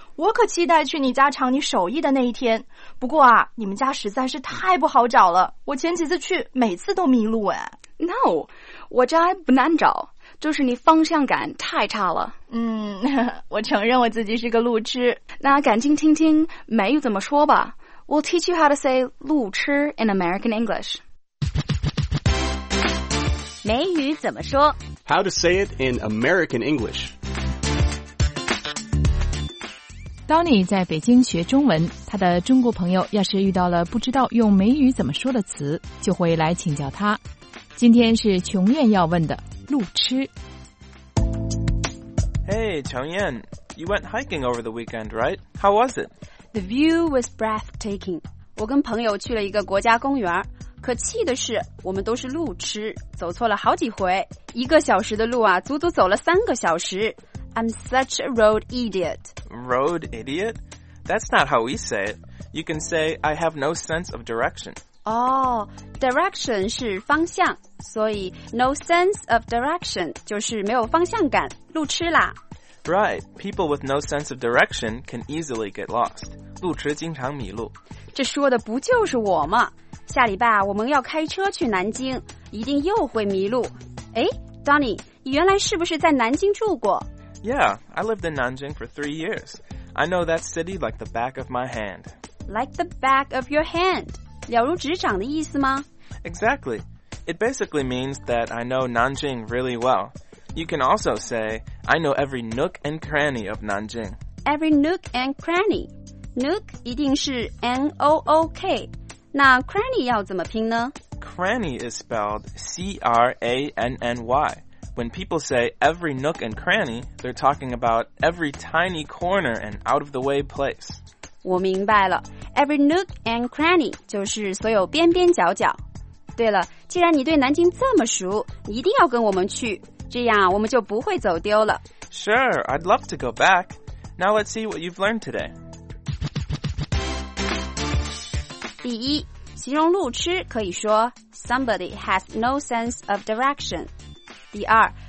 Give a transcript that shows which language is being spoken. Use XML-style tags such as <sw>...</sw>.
<zh>我可期待去你家尝你手艺的那一天。不过啊，你们家实在是太不好找了。我前几次去，每次都迷路哎。 No, 我家不难找，就是你方向感太差了。我承认我自己是个路痴。那赶紧听听梅雨怎么说吧。</zh> <en>We'll teach you how to say 路痴 in American English.</en> <zh>梅雨怎么说</zh> <en>How to say it in American English.</en> <zh>Donny 在北京学中文，他的中国朋友要是遇到了不知道用梅雨怎么说的词，就会来请教他。今天是琼艳要问的路痴。</zh> <en>Hey, 琼艳 you went hiking over the weekend, right? How was it? The view was breathtaking.</en> <zh>我跟朋友去了一个国家公园，可气的是我们都是路痴，走错了好几回。一个小时的路啊，足足走了三个小时。</zh> <en>I'm such a road idiot. Road idiot? That's not how we say it. You can say, I have no sense of direction.</en> <zh>Direction 是方向，所以</zh> <en>no sense of direction</en> <zh>就是没有方向感，路痴啦。</zh> <en>Right, people with no sense of direction can easily get lost.</en> <zh>路痴经常迷路。这说的不就是我吗？下礼拜啊，我们要开车去南京，一定又会迷路。哎 ，Donny， 你原来是不是在南京住过</zh> <en>？Yeah, I lived in Nanjing for 3 years. I know that city like the back of my hand. Like the back of your hand，</en> <zh>了如指掌的意思吗</zh> <en>？Exactly. It basically means that I know Nanjing really well. You can also say, I know every nook and cranny of Nanjing. Every nook and cranny. Nook</en> <zh>一定是</zh> <en>N-O-O-K.</en> <zh>那 cranny 要怎么拼呢</zh> <en>Cranny is spelled C-R-A-N-N-Y. When people say every nook and cranny, they're talking about every tiny corner and out-of-the-way place.</en> <zh>我明白了。</zh> <en>Every nook and cranny</en> <zh>就是所有边边角角。对了，既然你对南京这么熟，一定要跟我们去。这样我们就不会走丢了。</zh> <en>Sure, I'd love to go back. Now let's see what you've learned today.</en> <zh>第一，形容路痴可以说</zh> <en>somebody has no sense of direction.</en> <zh>第二，</zh>